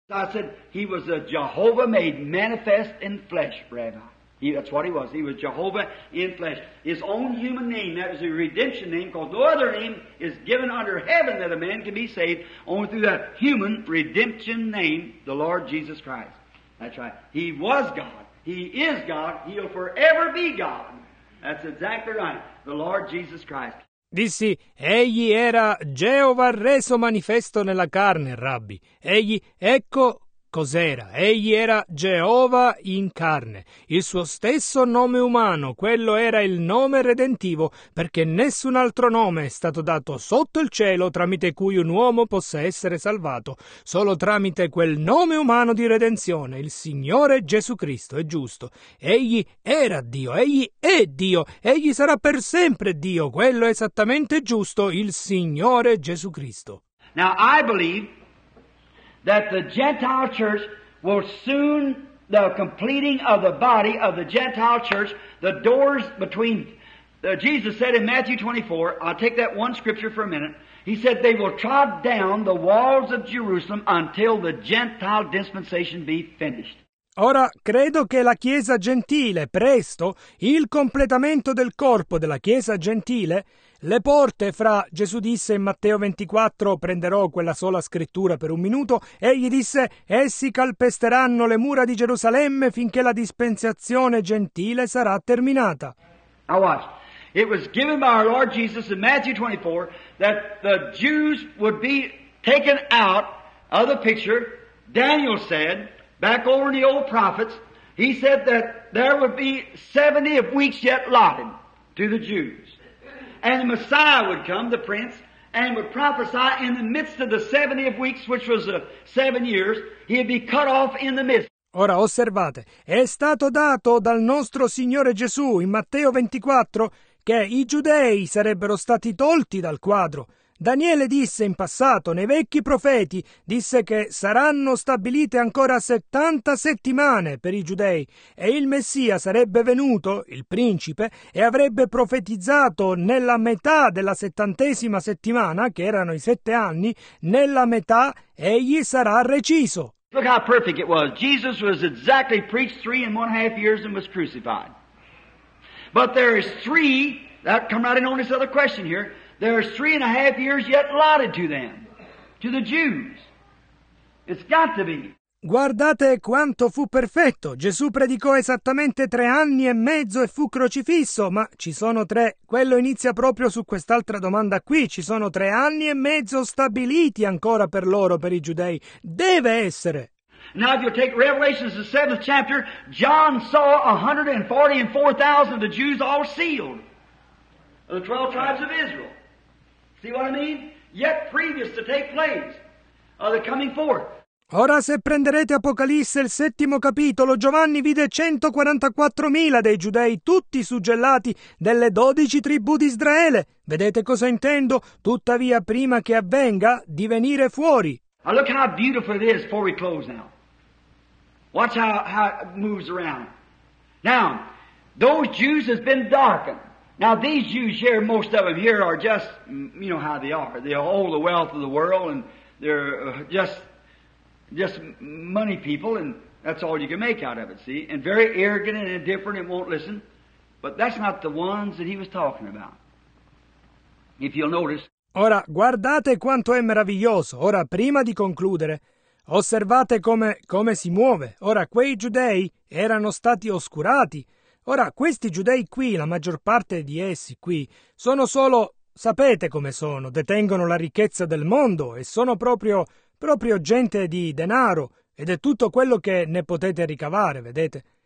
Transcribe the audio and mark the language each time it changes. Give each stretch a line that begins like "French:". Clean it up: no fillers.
English: I said, he was a Jehovah made manifest in flesh, Rabbi. That's what he was. He was Jehovah in flesh. His own human name, that was a redemption name, because no other name is given under heaven that a man can be saved, only through that human redemption name, the Lord Jesus Christ. That's right. He was God. He is God. He'll forever be God. That's exactly right. The Lord Jesus Christ.
Italian: Dissi, egli era Geova reso manifesto nella carne, Rabbi. Egli, ecco cos'era. Egli era Geova in carne, il suo stesso nome umano, quello era il nome redentivo, perché nessun altro nome è stato dato sotto il cielo tramite cui un uomo possa essere salvato, solo tramite quel nome umano di redenzione, il Signore Gesù Cristo, è giusto. Egli era Dio, egli è Dio, egli sarà per sempre Dio, quello è esattamente giusto, il Signore Gesù Cristo.
English: Now I believe that the Gentile church will soon, the completing of the body of the Gentile church, the doors between, Jesus said in Matthew 24, I'll take that one scripture for a minute, he said they will trod down the walls of Jerusalem until the Gentile dispensation be finished.
Italian: Ora, credo che la Chiesa Gentile, presto, il completamento del corpo della Chiesa Gentile, le porte fra, Gesù disse in Matteo 24, prenderò quella sola scrittura per un minuto, egli disse, essi calpesteranno le mura di Gerusalemme finché la dispensazione gentile sarà terminata.
English: Now watch, it was given by our Lord Jesus in Matthew 24 that the Jews would be taken out of the picture, Daniel said, back over in the old prophets, he said that there would be 70 of weeks yet allotted to the Jews. And the Messiah would come, the prince, and would prophesy in the midst of the 70 of weeks, which was 7 years, he would be cut off in the midst.
Italian: Ora osservate, è stato dato dal nostro Signore Gesù in Matteo 24 che i giudei sarebbero stati tolti dal quadro. Daniele disse in passato, nei vecchi profeti, disse che saranno stabilite ancora 70 settimane per i giudei e il Messia sarebbe venuto, il principe, e avrebbe profetizzato nella metà della 70ª settimana, che erano i 7 anni, nella metà egli sarà reciso.
English: Look how perfect it was. Jesus was exactly preached 3.5 years and was crucified. But there is three, that come right in on this other question here, there are 3.5 years yet allotted to them, to the Jews. It's got to be.
Italian: Guardate quanto fu perfetto. Gesù predicò esattamente 3.5 anni e fu crocifisso, ma ci sono tre. Quello inizia proprio su quest'altra domanda qui. Ci sono 3.5 anni stabiliti ancora per loro, per i giudei. Deve essere.
English: Now if you take Revelation, the 7th chapter, John saw 144,000 of the Jews all sealed. The 12 tribes of Israel. See what I mean? Yet previous to take place, the coming forth.
Italian: Ora se prenderete Apocalisse il 7° capitolo, Giovanni vide 144,000 dei giudei, tutti suggellati delle 12 tribù di Israele. Vedete cosa intendo? Tuttavia prima che avvenga di venire fuori.
English: Now look how beautiful it is before we close now. Watch how it moves around. Now, those Jews have been darkened. Now these Jews here, most of them here are just, you know how they are. They hold the wealth of the world and they're just money people and that's all you can make out of it, see? And very arrogant and indifferent and won't listen. But that's not the ones that he was talking about. If you'll notice.
Italian: Ora, guardate quanto è meraviglioso. Ora, prima di concludere, osservate come si muove. Ora, quei giudei erano stati oscurati. Ora, questi giudei qui, la maggior parte di essi qui, sono solo, sapete come sono, detengono la ricchezza del mondo e sono proprio gente di denaro ed è tutto quello che ne potete ricavare, vedete?